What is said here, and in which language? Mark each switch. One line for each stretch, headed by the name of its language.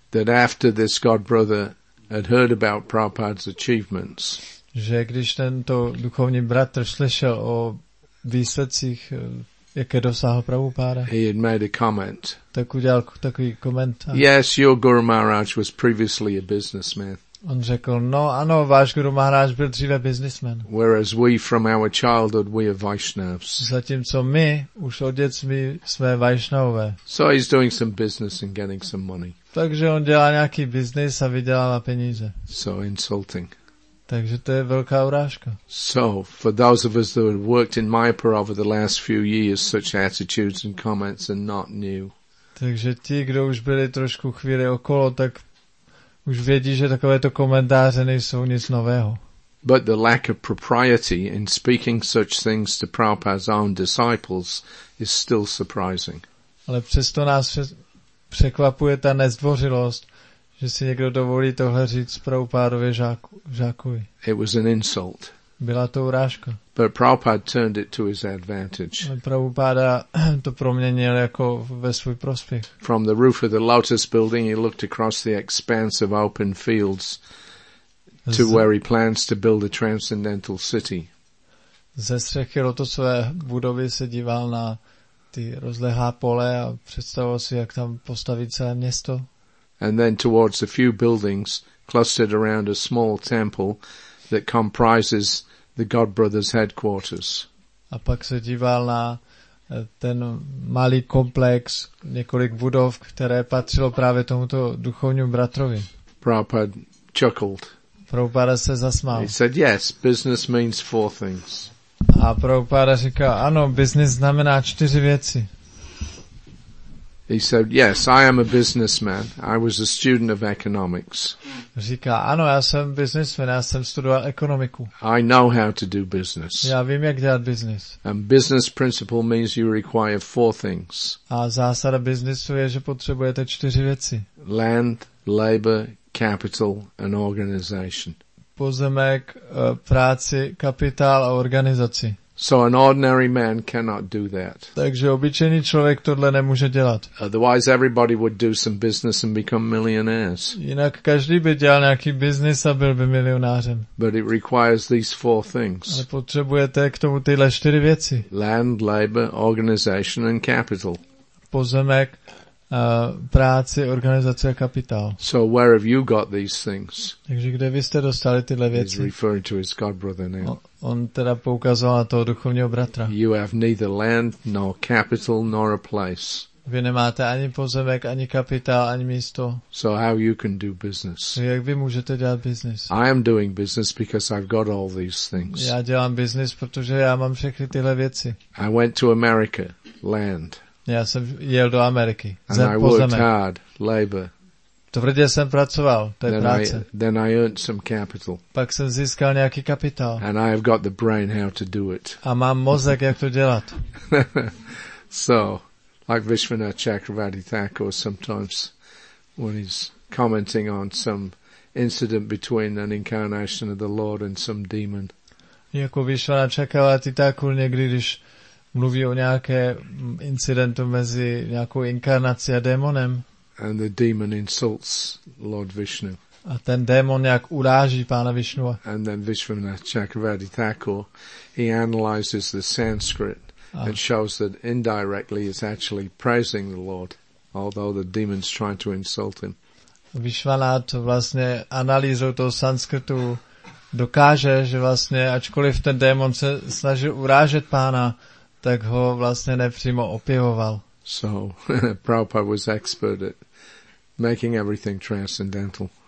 English: That after this god brother had heard about Prabhupada's achievements,
Czech: že když tento duchovní bratr slyšel o výsledcích, jaké dosáhl Prabhupáda,
English: he had made a comment.
Czech: Tak udělal takový komentář.
English: Yes, your Guru Maharaj was previously a businessman.
Czech: On řekl, no ano, váš Guru Maharaj byl dříve businessman.
English: Whereas we from our childhood we are Vaishnavs.
Czech: Zatímco my už od dětství jsme Vaishnavové.
English: So he's doing some business and getting some money.
Czech: Takže on dělá nějaký biznis a vydělává peníze.
English: So insulting.
Czech: Takže to je velká urážka.
English: So for those of us that have worked in Mayapur over the last few years, such attitudes and comments are not new.
Czech: Takže ti, kdo už byli trošku chvíli okolo, tak už vědí, že takovéto komentáře nejsou nic nového.
English: But the lack of propriety in speaking such things to Prabhupada's own disciples is still surprising.
Czech: Ale přesto nás překvapuje ta nezdvořilost, že si někdo dovolí tohle říct Prabhupádově žákovi.
English: It was an insult.
Czech: Byla to urážka.
English: But Prabhupada turned it to his advantage.
Czech: Prabhupada to proměnil jako ve svůj prospěch.
English: From the roof of the lotus building, he looked across the expanse of open fields to where he plans to build a transcendental city.
Czech: Ze střechy lotosové budovy se díval na ty rozlehlá pole a představoval si, jak tam postaví celé město.
English: And then towards a few buildings clustered around a small temple that comprises the God Brothers' headquarters.
Czech: A pak se díval na ten malý komplex, několik budov, které patřilo právě tomuto duchovnímu bratrovi.
English: Prabhupada chuckled.
Czech: Prabhupada se zasmál.
English: He said, yes, business means four things.
Czech: A Prabhupada říkal, ano, business znamená čtyři věci.
English: He said, yes, I am a businessman. I was a student of economics.
Czech: Říká, ano, já jsem businessman, já jsem studoval ekonomiku.
English: I know how to do business.
Czech: Já vím, jak dělat business.
English: And business principle means you require four things.
Czech: A zásada biznisu je, že potřebujete čtyři věci.
English: Land, labor, capital and organization.
Czech: Pozemek, práci, kapitál a organizaci.
English: So an ordinary man cannot do that.
Czech: Takže obyčejný člověk tohle nemůže dělat.
English: Otherwise everybody would do some business and become millionaires.
Czech: Jinak každý by dělal nějaký biznis a byl by milionářem.
English: But it requires these four things.
Czech: Ale potřebujete k tomu tyhle čtyři věci.
English: Land, labor, organization and capital.
Czech: Pozemek, práci, organizace a kapitál.
English: So where have you got these things?
Czech: Takže kde vy jste dostali tyhle věci?
English: He's referring to his god brother now.
Czech: On teda poukazoval na toho duchovního bratra.
English: You have neither land, nor capital, nor a place.
Czech: Vy nemáte ani pozemek, ani kapitál, ani místo.
English: So how you can do business?
Czech: Jak vy můžete dělat business?
English: I am doing business because I've got all these things.
Czech: Já dělám business, protože já mám všechny tyhle věci.
English: I went to America, land.
Czech: Já jsem jel do Ameriky.
English: And I worked hard, labor.
Czech: Tvrdě jsem pracoval, to je práce.
English: Then I earned some capital.
Czech: Pak jsem získal nějaký kapitál.
English: And I have got the brain how to do it.
Czech: A mám mozek, jak to dělat.
English: So, like Vishwanath Chakravarti Thakur, sometimes when he's commenting on some incident between an incarnation of the Lord and some demon.
Czech: jako Vishvana Chakravarti Thakur někdy, když mluví o nějaké incidentu mezi nějakou inkarnací a démonem.
English: And the demon insults Lord Vishnu.
Czech: A ten démon nějak uráží pána Vishnua.
English: And then Vishvana Chakravarti Thakur, he analyzes the Sanskrit and shows that indirectly he's actually praising the Lord, although the demon's trying to insult him.
Czech: Vishvana to vlastně analýzou toho sanskritu dokáže, že vlastně ačkoliv ten démon se snažil urážet pána, tak ho vlastně nepřímo opěvoval.
English: So, Prabhupada was expert at making everything transcendental.